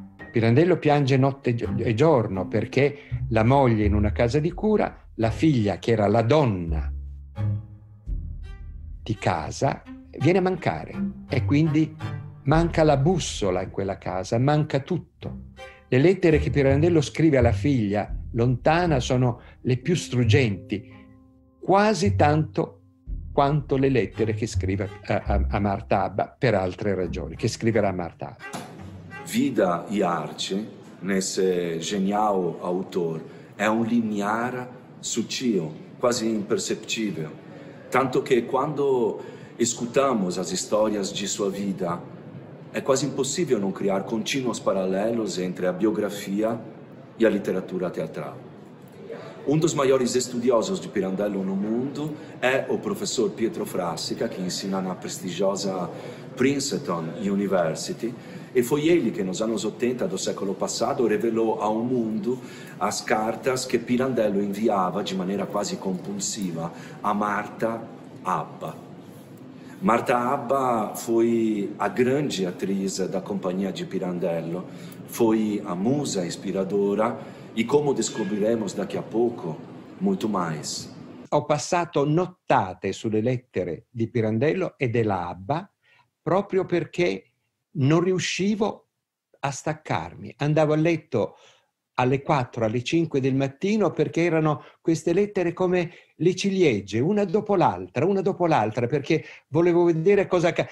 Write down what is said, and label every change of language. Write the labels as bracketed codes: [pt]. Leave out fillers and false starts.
[it] Pirandello piange notte e giorno perché la moglie in una casa di cura, la figlia che era la donna di casa, viene a mancare e quindi manca la bussola in quella casa, manca tutto. Le lettere che Pirandello scrive alla figlia lontana sono le più struggenti, quasi tanto quanto le lettere che scrive a Marta Abba per altre ragioni, che scriverà Marta Abba. [pt] vida e arte nesse genial autor é um linear sutil, quase imperceptível. Tanto que quando escutamos as histórias de sua vida, é quase impossível não criar contínuos paralelos entre a biografia e a literatura teatral. Um dos maiores estudiosos de Pirandello no mundo é o professor Pietro Frassica, que ensina na prestigiosa Princeton University, e foi ele que nos anos 80 do século passado revelou ao mundo as cartas que Pirandello enviava de maneira quasi compulsiva a Marta Abba. Marta Abba foi a grande atriz da companhia de Pirandello, foi a musa inspiradora e, como descobriremos daqui a pouco, muito mais. [it] Ho passato nottate sulle lettere di Pirandello e della Abba proprio perché non riuscivo a staccarmi. Andavo a letto alle 4, alle 5 del mattino, perché erano queste lettere come le ciliegie, una dopo l'altra, perché volevo vedere cosa...